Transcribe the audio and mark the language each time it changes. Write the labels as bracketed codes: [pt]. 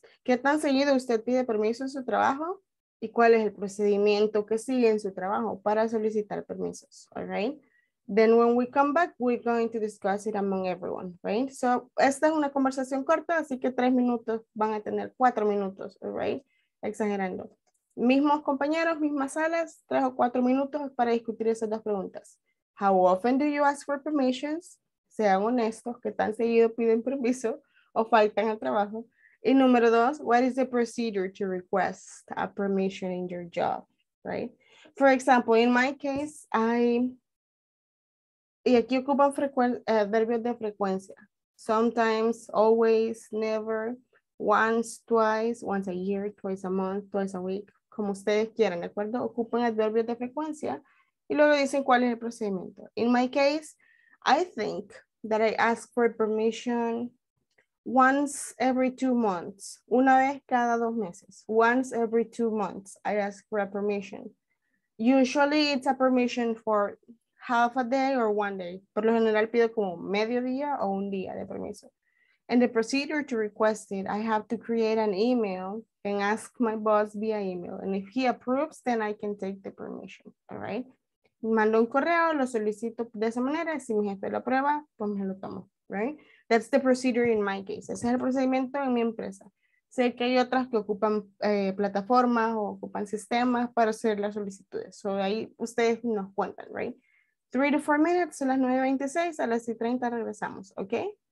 [es] ¿Qué tan seguido usted pide permiso en su trabajo? ¿Y cuál es el procedimiento que sigue en su trabajo para solicitar permisos, [en] all right? Then when we come back, we're going to discuss it among everyone, right? [es] So esta es una conversación corta, así que 3 minutos van a tener 4 minutos, [en] all right? [es] Exagerando. Mismos compañeros, mismas salas, 3 o 4 minutos para discutir esas dos preguntas. [en] How often do you ask for permissions? [es] Sean honestos, ¿qué tan seguido piden permiso o faltan al trabajo? Y número 2, [en] what is the procedure to request a permission in your job, right? For example, in my case, [es] y aquí ocupan verbios de frecuencia. [en] Sometimes, always, never, once, twice, once a year, twice a month, twice a week. [es] Como ustedes quieran, ¿de acuerdo? Ocupan adverbios de frecuencia y luego dicen cuál es el procedimiento. [en] In my case, I think that I ask for permission once every 2 months. [es] Una vez cada 2 meses. [en] Once every 2 months, I ask for a permission. Usually, it's a permission for half a day or 1 day. [es] Por lo general, pido como medio día o un día de permiso. [en] And the procedure to request it, I have to create an email and ask my boss via email. And if he approves, then I can take the permission, all right? [es] Mando un correo, lo solicito de esa manera, si mi jefe lo aprueba, pues me lo tomo, [en] right? That's the procedure in my case. [es] Ese es el procedimiento en mi empresa. Sé que hay otras que ocupan plataformas o ocupan sistemas para hacer las solicitudes. So ahí ustedes nos cuentan, [en] right? 3 to 4 minutes, [es] son las 9:26, a las 6:30 regresamos, okay?